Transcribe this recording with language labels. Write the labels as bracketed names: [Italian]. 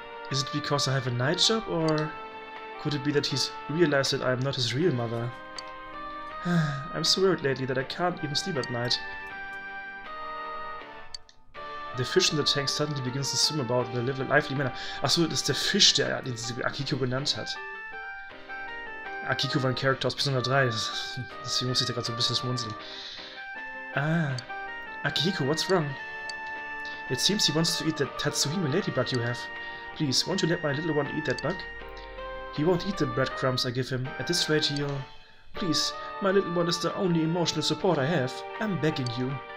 [English] Is it because I have a night job, or could it be that he's realized that I am not his real mother? I'm so worried lately that I can't even sleep at night. The fish in the tank suddenly begins to swim about in a lively manner. [German] Achso, das ist der Fisch, der den sie Akihiko genannt hat. Akihiko war ein Charakter aus Persona 3, deswegen muss ich da gerade so ein bisschen schmunzeln. [English] Ah, Akihiko, what's wrong? It seems he wants to eat that Tatsuhime ladybug you have. Please, won't you let my little one eat that bug? He won't eat the breadcrumbs I give him. At this rate he'll... Please, my little one is the only emotional support I have. I'm begging you.